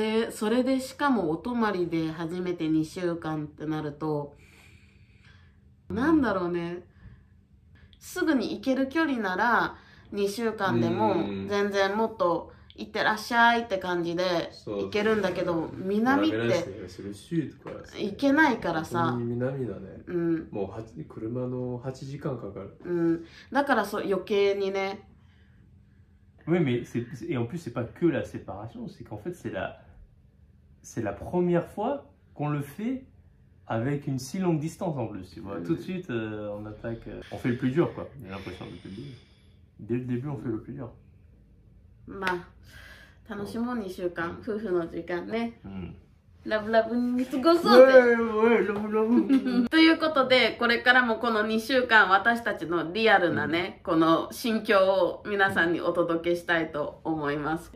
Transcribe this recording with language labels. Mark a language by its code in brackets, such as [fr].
[ja] それでしかもお泊まりで初めて2週間ってなると、なんだろうね、すぐに行ける距離なら2週間でも全然もっと行ってらっしゃいって感じで行けるんだけど、そうそうそう、南って行けないからさ、南だね、もう車の8時間かかる、だからそう余計にね。 [fr] Oui, mais c'est, et en plus c'est pas que la séparation, c'est qu'en fait c'est la première fois qu'on le fait avec une si longue distance en plus, tu vois. Tout de suite on attaque, on fait le plus dur quoi, j'ai l'impression depuis le début. Dès le début on fait le plus dur. [ja] まあ楽しもう2週間、夫婦の時間ね、ラブラブに過ごそうぜ、ラブラブということで、これからもこの2週間私たちのリアルなね、この心境を皆さんにお届けしたいと思います。